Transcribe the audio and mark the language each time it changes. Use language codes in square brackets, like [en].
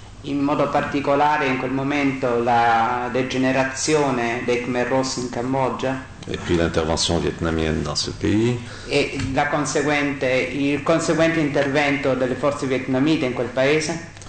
[it] In modo particolare in quel momento la degenerazione dei Khmer Rouge in Cambogia. [fr] Et puis l'intervention vietnamienne dans ce pays. [it] E la conseguente il conseguente intervento delle forze vietnamite in quel paese.